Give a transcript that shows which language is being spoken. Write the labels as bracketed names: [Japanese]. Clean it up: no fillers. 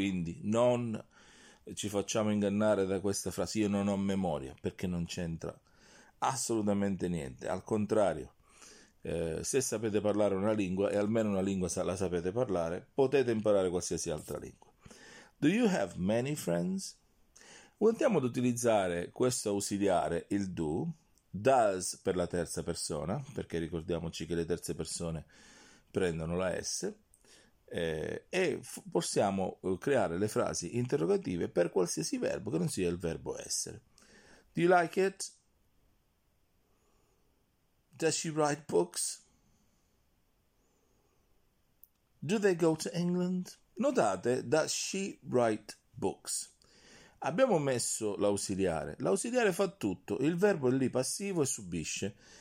[Italian] Quindi non ci facciamo ingannare da questa frase, io non ho memoria, perché non c'entra assolutamente niente. Al contrario. Se sapete parlare una lingua, e almeno una lingua la sapete parlare, potete imparare qualsiasi altra lingua. [English] Do you have many friends? [Italian] Andiamo ad utilizzare questo ausiliare, il do, does per la terza persona, perché ricordiamoci che le terze persone prendono la S, e possiamo creare le frasi interrogative per qualsiasi verbo che non sia il verbo essere. [English] Do you like it? Does she write books? Do they go to England? [Italian] Notate, [English] does she write books? [Italian] Abbiamo messo l'ausiliare. L'ausiliare fa tutto, il verbo è lì passivo e subisce.